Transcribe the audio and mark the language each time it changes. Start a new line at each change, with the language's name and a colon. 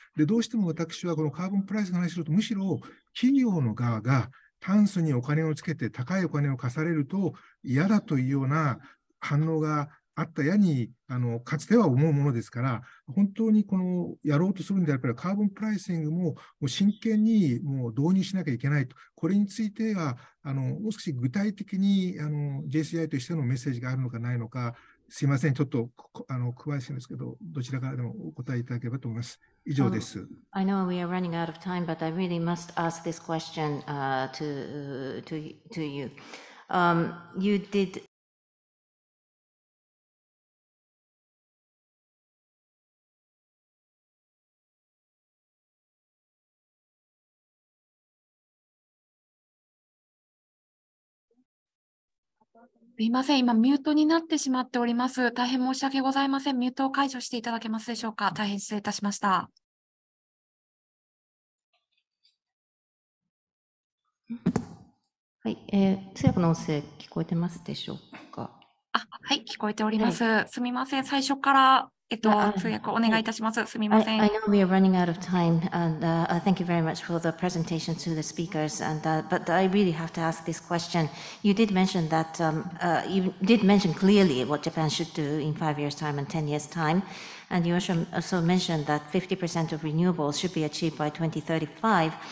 Japanese: でどうしても私はこのカーボンプライシングの話をするとむしろ企業の側が炭素にお金をつけて高いお金を課されると嫌だというような反応があったやにかつては思うものですから、本当にこのやろうとするんであればカーボンプライシング もう真剣にもう導入しなきゃいけないと。これについてはもう少し具体的に JCI としてのメッセージがあるのかないのか、すいませんちょっと詳しいんですけど、どちらからでもお答えいただければと思います。以上です。
English: I know we are running out of time, but I really must ask this question to you. You did
Japanese: すいません、今ミュートになってしまっております。大変申し訳ございません。ミュートを解除していただけますでしょうか。大変失礼いたしました。はい、通訳の音声聞こえてますでしょうか。あ、はい、聞こえております、はい、すみません最初から通訳をお願いいたします、はい、すみません。
English: I know we are running out of time and thank you very much for the presentation to the speakers and but I really have to ask this question. You did mention that you did mention clearly what Japan should do in 5 years time and 10 years time, and you also mentioned that 50% of renewables should be achieved by 2035.